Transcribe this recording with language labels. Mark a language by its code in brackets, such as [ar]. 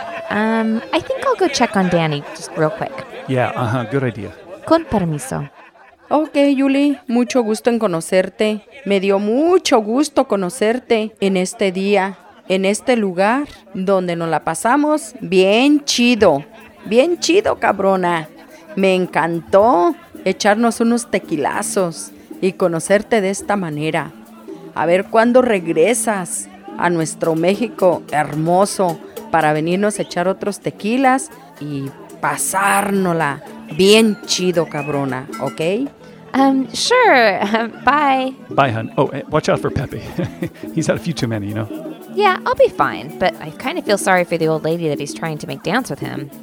[en] I think I'll go check on Danny just real quick. Yeah, uh-huh, good idea. [es] Con permiso. Okay, Julie, mucho gusto en conocerte. Me dio mucho gusto conocerte en este día, en este lugar donde nos la pasamos bien chido, cabrona. Me encantó echarnos unos tequilazos y conocerte de esta manera. A ver cuándo regresas a nuestro México hermoso para venirnos a echar otros tequilas y pasárnosla bien chido, cabrona, ¿ok? [en] Sure. Bye. Bye, hon. Oh, watch out for Pepe. He's had a few too many, you know? Yeah, I'll be fine, but I kind of feel sorry for the old lady that he's trying to make dance with him.